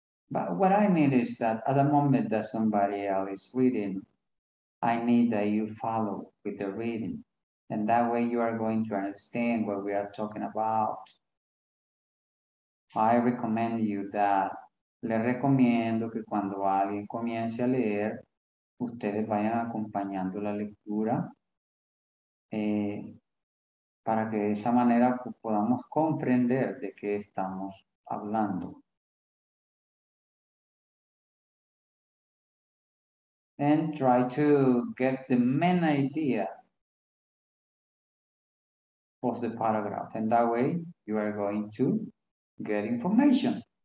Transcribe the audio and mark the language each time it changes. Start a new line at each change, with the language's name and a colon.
English: But what I need is that at the moment that somebody else is reading, I need that you follow with the reading. And that way you are going to understand what we are talking about. I recommend you that.
Spanish: Le recomiendo que cuando alguien comience a leer, ustedes vayan acompañando la lectura para que de esa manera podamos comprender de qué estamos hablando.
English: And try to get the main idea of the paragraph. And that way you are going to get information.